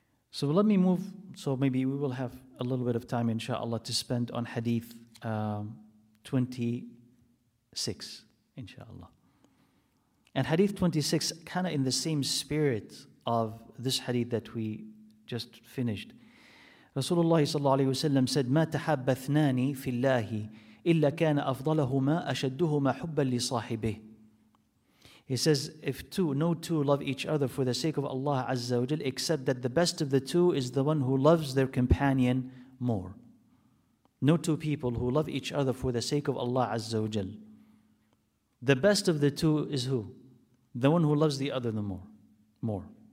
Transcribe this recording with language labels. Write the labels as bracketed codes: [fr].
[en] So let me move, so maybe we will have a little bit of time, inshallah, to spend on Hadith 26, inshallah. And Hadith 26, kind of in the same spirit of this Hadith that we just finished. [ar] Rasulullah sallallahu alayhi wa sallam said, مَا تَحَبَّثْنَانِ فِي اللَّهِ إِلَّا كَانَ أَفْضَلَهُمَا أَشَدُّهُمَا حُبًّا لِصَاحِبِهِ. [en] He says, no two love each other for the sake of Allah Azza wa Jal, except that the best of the two is the one who loves their companion more. No two people who love each other for the sake of Allah Azza wa Jal. The best of the two is who? The one who loves the other the more. More.